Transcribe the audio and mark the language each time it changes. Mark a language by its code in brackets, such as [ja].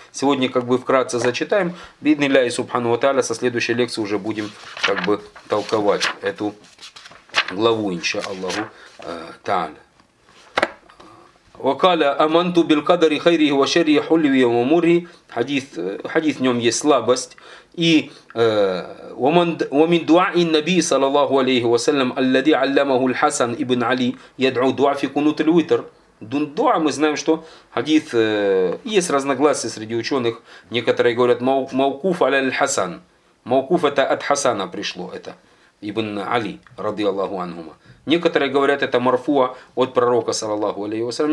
[ru] Сегодня как бы вкратце зачитаем. [ar] Бидни ля и субхану ва тааля. [ru] Со следующей лекции уже будем как бы толковать эту главу, инша Аллаху тааля. [ar] Вакаля аманту биль кадари хайри и вашири и хулли и мамури. [ru] Хадис в нем есть слабость. [ar] И ومن دعاء النبي صلى الله عليه وسلم الذي علمه الحسن ابن علي يدعو دعاء في قنوت الوتر. [ru] Дуа, мы знаем, что хадис, есть разногласия среди ученых, некоторые говорят маукуф аль-хасан, маукуф это от Хасана пришло, это ибн Али, ради Аллаху анхума. Некоторые говорят, это марфуа от пророка, саллаллаху алейхи вассалям.